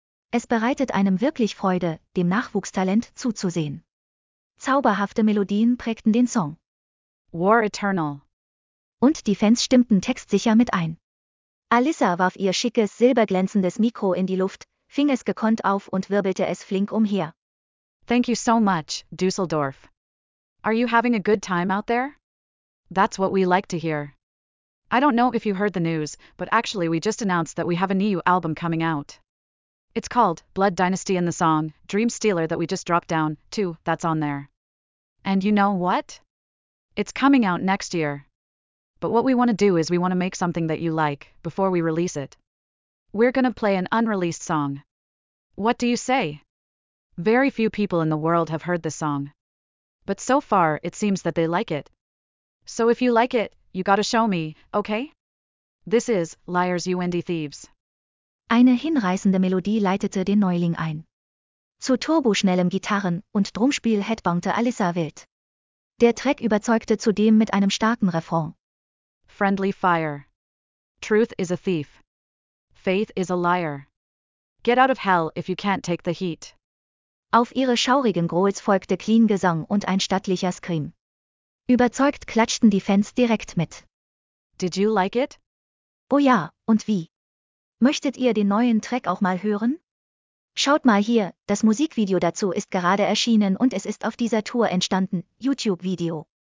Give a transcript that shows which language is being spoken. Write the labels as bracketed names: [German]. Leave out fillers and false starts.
[German] Es bereitet einem wirklich Freude, dem Nachwuchstalent zuzusehen. Zauberhafte Melodien prägten den Song. [English] War Eternal. [German] Und die Fans stimmten textsicher mit ein. Alyssa warf ihr schickes, silberglänzendes Mikro in die Luft, fing es gekonnt auf und wirbelte es flink umher. [English] Thank you so much, Düsseldorf. Are you having a good time out there? That's what we like to hear. I don't know if you heard the news, but actually we just announced that we have a new album coming out. It's called Blood Dynasty and the song Dream Stealer that we just dropped down, too, that's on there. And you know what? It's coming out next year. But what we want to do is we want to make something that you like, before we release it. We're gonna play an unreleased song. What do you say? Very few people in the world have heard this song. But so far, it seems that they like it. So if you like it, you gotta show me, okay? This is Liars You Indie Thieves. [German] Eine hinreißende Melodie leitete den Neuling ein. Zu turboschnellem Gitarren- und Drumspiel headbangte Alyssa wild. Der Track überzeugte zudem mit einem starken Refrain. [English] friendly fire. Truth is a thief. Faith is a liar. Get out of hell if you can't take the heat. [German] Auf ihre schaurigen Growls folgte clean Gesang und ein stattlicher Scream. Überzeugt klatschten die Fans direkt mit. [English] Did you like it? [German] Oh ja, und wie. Möchtet ihr den neuen Track auch mal hören? Schaut mal hier, das Musikvideo dazu ist gerade erschienen und es ist auf dieser Tour entstanden, YouTube-Video.